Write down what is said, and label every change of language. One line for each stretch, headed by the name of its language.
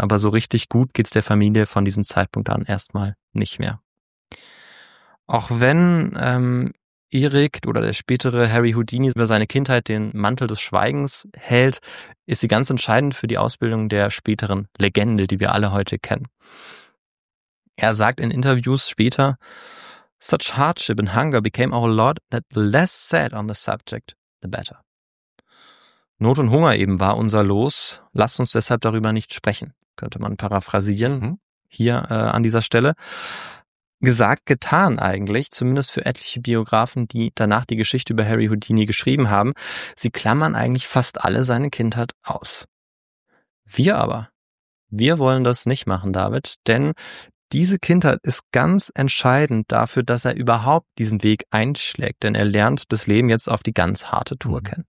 German: Aber so richtig gut geht es der Familie von diesem Zeitpunkt an erstmal nicht mehr. Auch wenn Erik oder der spätere Harry Houdini über seine Kindheit den Mantel des Schweigens hält, ist sie ganz entscheidend für die Ausbildung der späteren Legende, die wir alle heute kennen. Er sagt in Interviews später,
English: "Such hardship and hunger became our lot that the less said on the subject, the better."
German: Not und Hunger eben war unser Los. Lasst uns deshalb darüber nicht sprechen, könnte man paraphrasieren hier an dieser Stelle. Gesagt, getan eigentlich, zumindest für etliche Biografen, die danach die Geschichte über Harry Houdini geschrieben haben. Sie klammern eigentlich fast alle seine Kindheit aus. Wir aber, wir wollen das nicht machen, David, denn diese Kindheit ist ganz entscheidend dafür, dass er überhaupt diesen Weg einschlägt, denn er lernt das Leben jetzt auf die ganz harte Tour kennen.